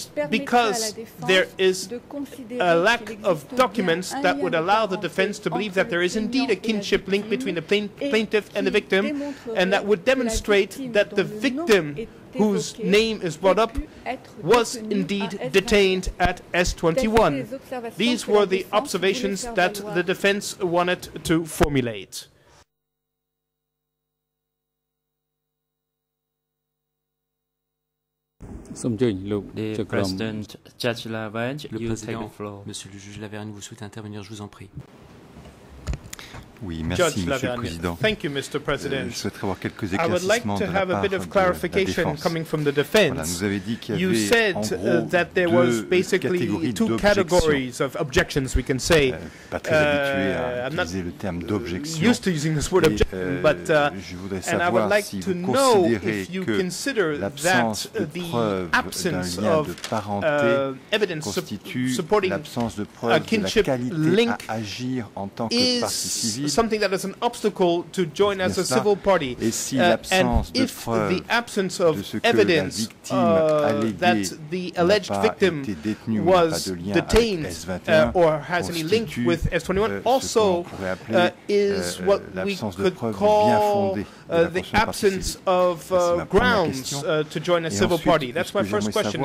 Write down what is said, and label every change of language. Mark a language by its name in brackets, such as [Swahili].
[English] because there is a lack of documents that would allow the defense to believe that there is indeed a kinship link between the plaintiff and the victim, and that would demonstrate that the victim whose name is brought up was indeed detained at S21. These were the observations that the defense wanted to formulate. The President, Judge Lavergne, you take the floor. [French] Monsieur le Juge Lavergne, vous souhaitez intervenir, je vous en prie. Oui, merci, [English] Judge [French] Monsieur Lavergne. Le Président. [English] Thank you, Mr. President. [French] Je souhaiterais avoir quelques éclaircissements de la part de la défense. Voilà, nous avez dit qu'il y avait en gros deux catégories d'objections. [English] Categories of objections, we can say. [French] Pas très habitué à utiliser le terme d'objection. [English] Used to using this word objection, but [French] je voudrais savoir [English] like [French] si vous considérez que l'absence de preuve d'un lien de parenté constitue l'absence de preuve de la qualité à agir en tant que partie civile. [English] Something that is an obstacle to join as a civil party. And if the absence of evidence that the alleged victim was detained or has any link with S21 also is what we could call the absence of grounds to join a civil party. That's my first question.